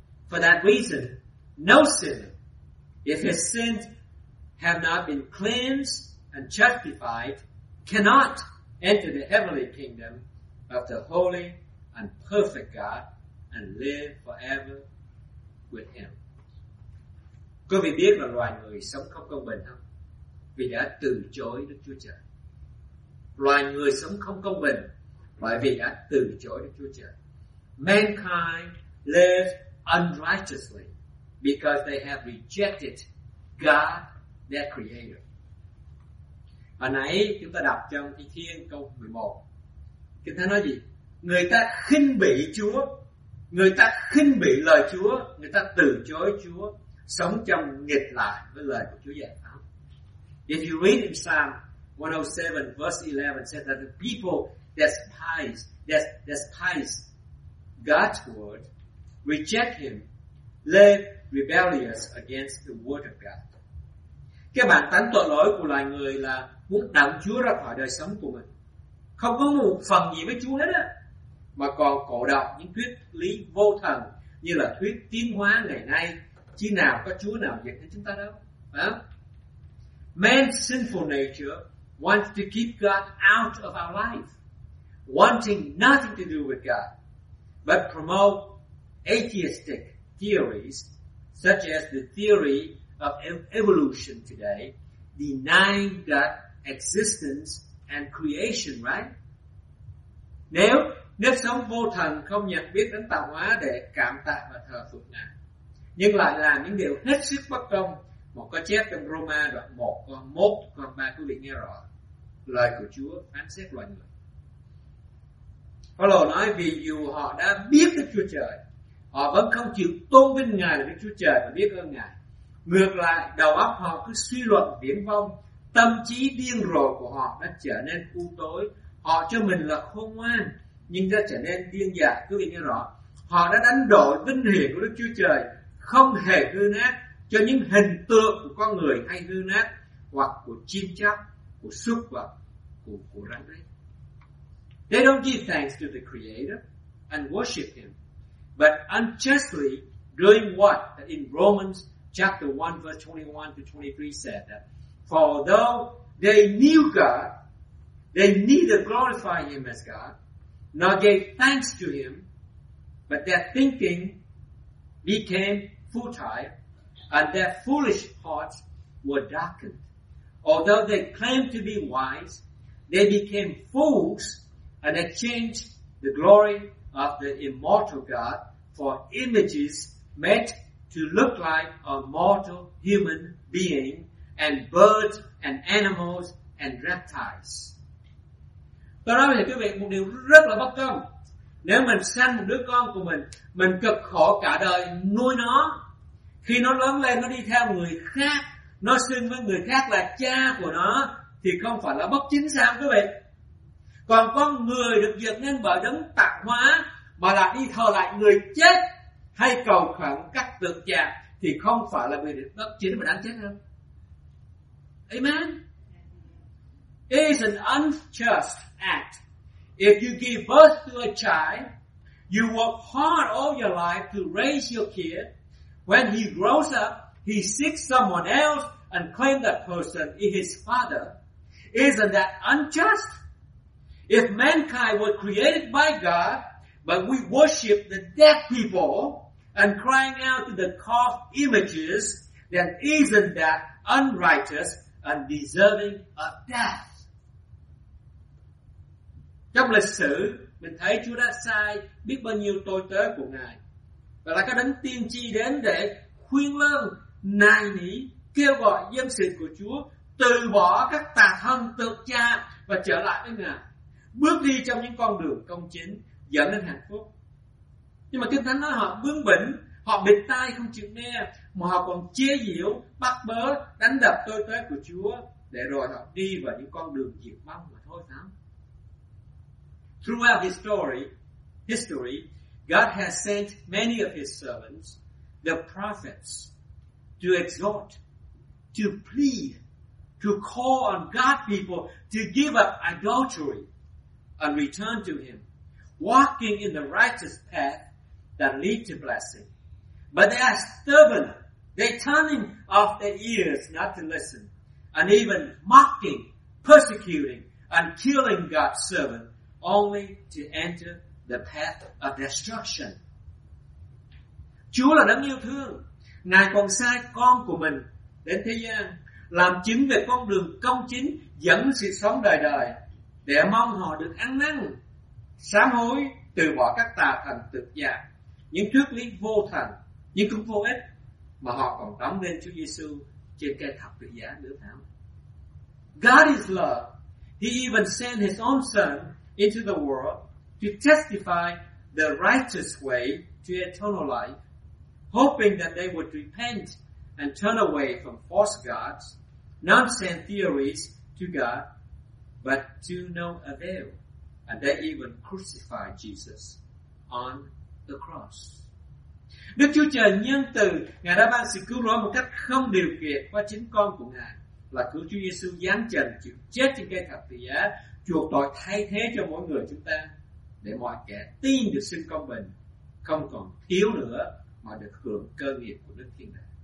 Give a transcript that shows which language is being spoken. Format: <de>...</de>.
<en>For that reason, no sinner, if his sins have not been cleansed and justified, cannot enter the heavenly kingdom of the holy and perfect God and live forever with Him.</en> <vi>Quý vị biết là loài người sống không công bình không? Vì đã từ chối Đức Chúa Trời. Loài người sống không công bình bởi vì đã từ chối Đức Chúa Trời.</vi> <en>Mankind live unrighteously because they have rejected God, their Creator.</en> <vi>Hồi nãy chúng ta đọc trong Thi Thiên câu 11. Kinh Thánh nói gì? Người ta khinh bỉ Chúa, người ta khinh bỉ lời Chúa, người ta từ chối Chúa, sống trong nghịch lại với lời của Chúa dạy.</vi> <en>If you read in Psalm 107 verse 11, it says that the people despise God's word, reject Him, live rebellious against the word of God.</en> <vi>Cái bản tánh tội lỗi của loài người là muốn đẩy Chúa ra khỏi đời sống của mình, không có một phần gì với Chúa hết á, mà còn cổ động những thuyết lý vô thần như là thuyết tiến hóa ngày nay, chứ nào có Chúa nào dạy đến chúng ta đâu.</vi> <en>Man's sinful nature wants to keep God out of our life, wanting nothing to do with God, but promote atheistic theories such as the theory of evolution today, denying God existence and creation, right?</en> <vi>Nếu sống vô thần, không nhận biết đến tạo hóa để cảm tạ và thờ phượng Ngài, nhưng lại làm những điều hết sức bất công, một có chép trong Roma đoạn 1 câu 1 câu 3, quý vị nghe rõ lời của Chúa phán xét loài người. Phaolô nói vì dù họ đã biết Đức Chúa Trời, họ vẫn không chịu tôn vinh Ngài là Đức Chúa Trời và biết ơn Ngài. Ngược lại, đầu óc họ cứ suy luận viển vông, tâm trí điên rồ của họ đã trở nên u tối. Họ cho mình là khôn ngoan nhưng đã trở nên điên dại, quý vị nghe rõ. Họ đã đánh đổi vinh hiển của Đức Chúa Trời không hề hư nát cho những hình tượng của con người hay hư nát, hoặc của chim chóc, của súc vật, của rắn rết.</vi> <en>They don't give thanks to the Creator and worship Him, but unjustly doing what in Romans chapter 1 verse 21 to 23 said that, for though they knew God, they neither glorified Him as God, nor gave thanks to Him, but their thinking became futile, and their foolish hearts were darkened. Although they claimed to be wise, they became fools, and exchanged the glory of the immortal God for images made to look like a mortal human being, and birds, and animals, and reptiles.</en> <vi>Tôi nói với quý vị một điều rất là bất công. Nếu mình sanh một đứa con của mình cực khổ cả đời nuôi nó. Khi nó lớn lên, nó đi theo người khác, nó xưng với người khác là cha của nó, thì không phải là bất chính sao quý vị? Còn con người được dựng nên bởi đấng tạo hóa mà lại đi thờ lại người chết hay cầu khẩn các tượng trà, thì không phải là người bất chính mà đáng chết không?</vi> <en>Amen. It is an unjust act. If you give birth to a child, you work hard all your life to raise your kid. When he grows up, he seeks someone else and claims that person is his father. Isn't that unjust? If mankind were created by God, but we worship the dead people and crying out to the carved images, then isn't that unrighteous and deserving of death?</en> <vi>Trong lịch sử, mình thấy Chúa đã sai biết bao nhiêu tội tớ của Ngài. Và là có đấng tiên tri đến để khuyên lơn, nài nỉ, kêu gọi dân sự của Chúa từ bỏ các tà thân tượng cha và trở lại với Ngài, bước đi trong những con đường công chính dẫn đến hạnh phúc. Nhưng mà Kinh Thánh nói họ bướng bỉnh, họ bịt tai không chịu nghe, mà họ còn chế giễu, bắt bớ, đánh đập tôi tớ của Chúa, để rồi họ đi vào những con đường diệt vong mà thôi sao?</vi> <en>Throughout history, God has sent many of his servants, the prophets, to exhort, to plead, to call on God people to give up adultery and return to him, walking in the righteous path that lead to blessing. But they are stubborn, they turning off their ears not to listen, and even mocking, persecuting, and killing God's servant, only to enter the path of destruction.</en> <vi>Chúa là đấng yêu thương, Ngài còn sai con của mình đến thế gian, làm chứng về con đường công chính dẫn sự sống đời đời, để mong họ được ăn năn, sám hối, từ bỏ các tà thần tục dạng, những thuyết lý vô thần, nhưng cũng vô ích, mà họ còn đóng lên Chúa Giêsu trên cây thập tự giá nữa thảo.</vi> <en>God is love. He even sent his own son into the world to testify the righteous way to eternal life, hoping that they would repent and turn away from false gods, nonsense theories to God, but to no avail. And they even crucified Jesus on the cross.</en> <vi>Đức Chúa Trời nhân từ, Ngài đã ban sự cứu rỗi một cách không điều kiện qua chính con của Ngài, là cứu Chúa Giêsu giáng trần, chịu chết trên cây thập tự giá, chuộc tội thay thế cho mỗi người chúng ta, để mọi kẻ tin được sự công bình, không còn thiếu nữa mà được hưởng cơ nghiệp của Đức Thiên Đàng.</vi>